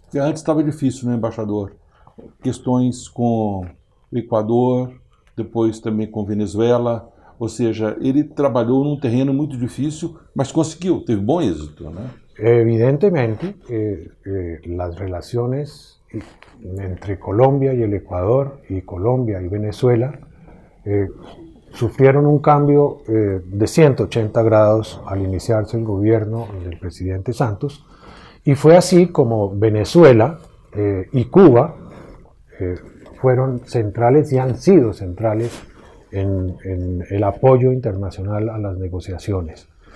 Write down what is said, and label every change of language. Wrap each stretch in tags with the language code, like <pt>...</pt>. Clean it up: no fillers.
<es>Antes estaba difícil, ¿no, embajador? Questões con Ecuador, después también con Venezuela.</es> <pt>Ou seja, ele trabalhou num terreno muito difícil, mas conseguiu, teve bom êxito, né?</pt> <es>Evidentemente, las relaciones entre Colombia y el Ecuador y Colombia y Venezuela sufrieron un cambio de 180 grados al iniciarse el gobierno del presidente Santos, y fue así como Venezuela y Cuba fueron centrales y han sido centrales en el apoyo internacional a las negociaciones.</es>